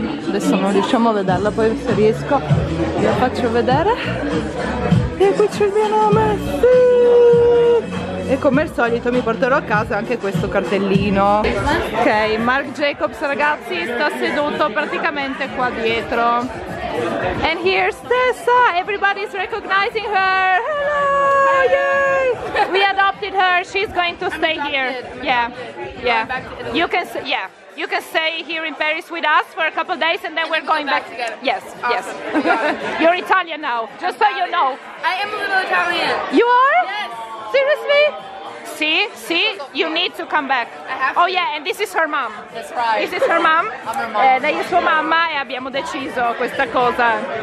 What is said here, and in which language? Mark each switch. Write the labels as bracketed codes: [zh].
[it] Adesso non riusciamo a vederla, poi se riesco vi faccio vedere. E qui c'è il mio nome, sì! E come al solito mi porterò a casa anche questo cartellino. Ok, Marc Jacobs ragazzi sta seduto praticamente qua dietro. [en] And here's Tessa, everybody's recognizing her. Hello! Yay! We adopted her. She's going to stay here. Yeah. Yeah. You can yeah. You can stay here in Paris with us for a couple of days and then we're going back together. Yes. Awesome. Yes. You're Italian now. Just so you know. I am a little Italian. You are? Yes. Seriously? See, see, you need to come back. Oh yeah, and this is her mom. That's right. This is her mom. I'm her mom. [it] Lei è sua mamma e abbiamo deciso questa cosa.